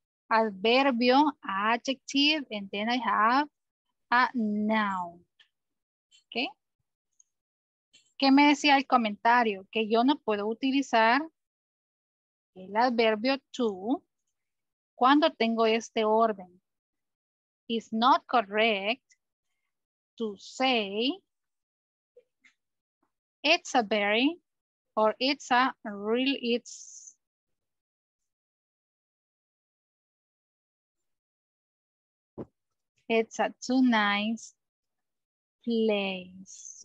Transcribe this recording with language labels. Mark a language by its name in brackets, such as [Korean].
[English] Adverbio, adjective, and then I have a noun. [Spanish] ¿Qué? ¿Qué me decía el comentario? Que yo no puedo utilizar el adverbio to cuando tengo este orden. [English] It's not correct to say it's a very or it's a real, it's it's a too nice place.